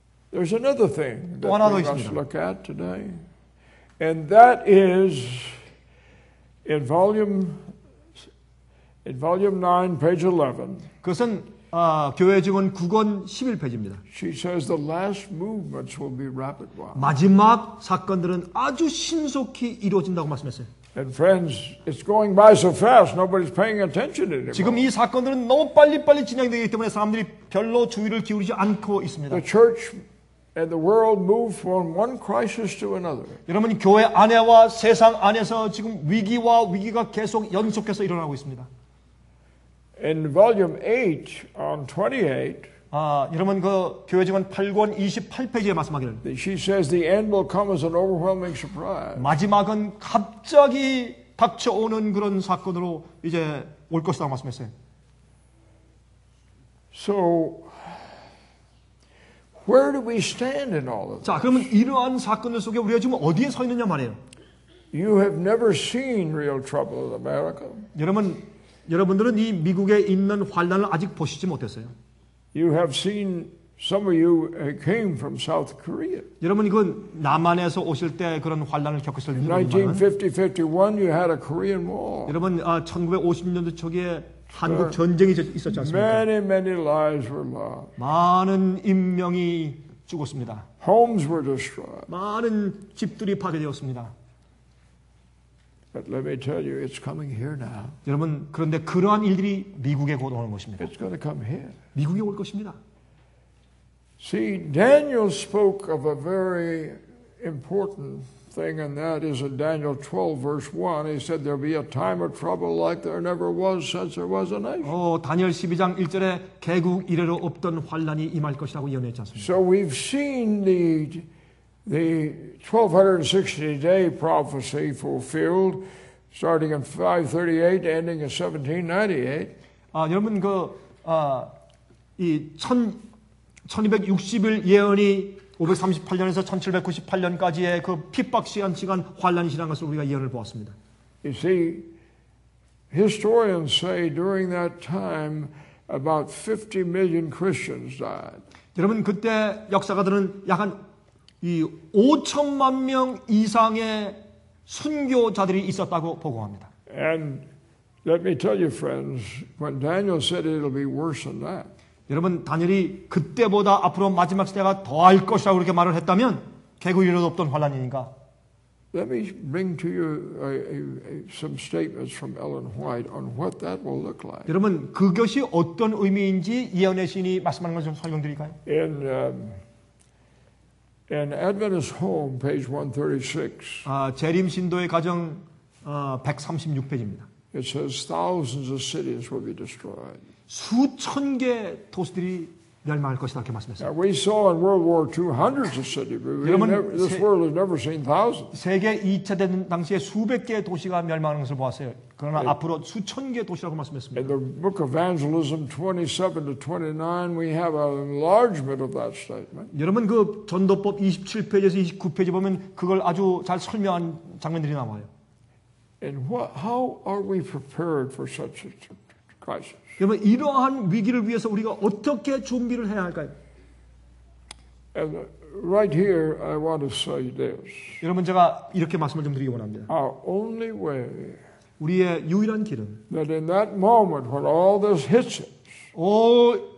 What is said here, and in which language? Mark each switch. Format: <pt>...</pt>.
<en>There's another thing that we must look at today. And that is in volume 9, page 11.</en> <ko>그것은 교회 증언 9권 11페이지입니다.</ko> <en>She says the last movements will be rapid one.</en> <ko>마지막 사건들은 아주 신속히 이루어진다고 말씀했어요.</ko> <en>And friends, it's going by so fast. Nobody's paying attention to it.</en> <ko>지금 이 사건들은 너무 빨리빨리 진행되기 때문에 사람들이 별로 주의를 기울이지 않고 있습니다.</ko> <en>The church and the world move from one crisis to another.</en> <ko>여러분, 교회 안에와 세상 안에서 지금 위기와 위기가 계속 연속해서 일어나고 있습니다.</ko> <en>In volume 8 on 28.</en> <ko>아, 여러분 그 교회 증언 8권 28페이지에 말씀하기를.</ko> <en>She says the end will come as an overwhelming surprise.</en> <ko>마지막은 갑자기 닥쳐오는 그런 사건으로 이제 올 것이라고 말씀했어요.</ko> <en>So where do we stand in all of this?</en> <ko>자, 그러면 이러한 사건들 속에 우리가 지금 어디에 서 있느냐 말이에요.</ko> <en>You have never seen real trouble in America.</en> <ko>여러분, 여러분들은 이 미국에 있는 환란을 아직 보시지 못했어요.</ko> <en>You have seen some of you came from South Korea.</en> <ko>여러분, 이건 남한에서 오실 때 그런 환란을 겪었을 때입니다.</ko> <en>1950-51, you had a Korean War.</en> <ko>여러분, 1950년대 초기에 한국 전쟁이 있었지 않습니까?</ko> <en>Many, many lives were lost.</en> <ko>많은 인명이 죽었습니다.</ko> <en>Homes were destroyed.</en> <ko>많은 집들이 파괴되었습니다.</ko> <en>But let me tell you, it's coming here now.</en> <ko>여러분, 그런데 그러한 일들이 미국에 곧 오는 것입니다.</ko> <en>It's going to come here.</en> <ko>미국에 올 것입니다.</ko> <en>See, Daniel spoke of a very important thing, and that is in Daniel 12, verse 1. He said, "There'll be a time of trouble like there never was since there was a nation."</en> <ko>다니엘 12장 1절에 개국 이래로 없던 환란이 임할 것이라고 예언했지 않습니까?</ko> <en>So we've seen the 1260-day prophecy fulfilled, starting in 538, ending in 1798.</en> <ko>여러분, 이 1260일 예언이 538년에서 1798년까지의 그 핍박 시간 환란이라는 것을 우리가 예언을 보았습니다.</ko> <en>You see, historians say during that time about 50 million Christians died.</en> <ko>여러분, 그때 역사가들은 약 한 이 5천만 명 이상의 순교자들이 있었다고 보고합니다.</ko> <en>And let me tell you, friends, when Daniel said it'll be worse than that.</en> <ko>여러분, 다니엘이 그때보다 앞으로 마지막 시대가 더할 것이라고 그렇게 말을 했다면 개국 이래도 없던 환란이니까.</ko> <en>Let me bring to you some statements from Ellen White on what that will look like.</en> <ko>여러분, 그것이 어떤 의미인지 예언의 신이 말씀하는 것 좀 설명드릴까요?</ko> <en>In Adventist Home, page 136.</en> <ko>재림신도의 가정 136페이지입니다.</ko> <en>It says thousands of cities will be destroyed.</en> <ko>수천 개 도시들이 멸망할 것이다 이렇게 말씀했어요.</ko> <en>Now, we saw in World War II hundreds of cities. This world has never seen thousands.</en> <ko>세계 2차 대전 당시에 수백 개 도시가 멸망하는 것을 보았어요. 그러나 앞으로 수천 개 도시라고 말씀했습니다.</ko> <en>In the book of Evangelism 27-29, we have an enlargement of that statement.</en> <ko>여러분, 그 전도법 27페이지에서 29페이지 보면 그걸 아주 잘 설명한 장면들이 나와요.</ko> <en>And what, how are we prepared for such a crisis?</en> <ko>그러면 이러한 위기를 위해서 우리가 어떻게 준비를 해야 할까요?</ko> <en>And right here, I want to say this.</en> <ko>여러분, 제가 이렇게 말씀을 좀 드리기 원합니다.</ko> <en>Our only way.</en> <ko>우리의 유일한 길은.</ko> <en>That in that moment when all this hits us.</en>